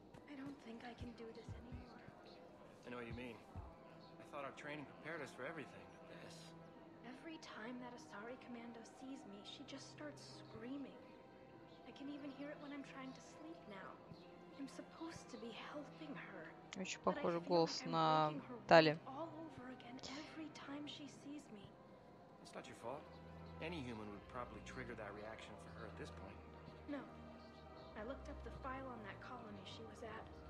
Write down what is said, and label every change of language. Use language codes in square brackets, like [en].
[en] I don't think I can do this anymore. I know what you mean. I thought our training prepared us for everything, but this. Every time that Asari Commando sees me, she just starts screaming. I can even hear it when I'm trying to sleep now. I'm supposed to be helping her. [ru] Очень похожий голос на Тали. [en] All over again every time she sees me. It's not your fault. Any human would probably trigger that reaction for her at this point. No. I looked up the file on that colony she was at.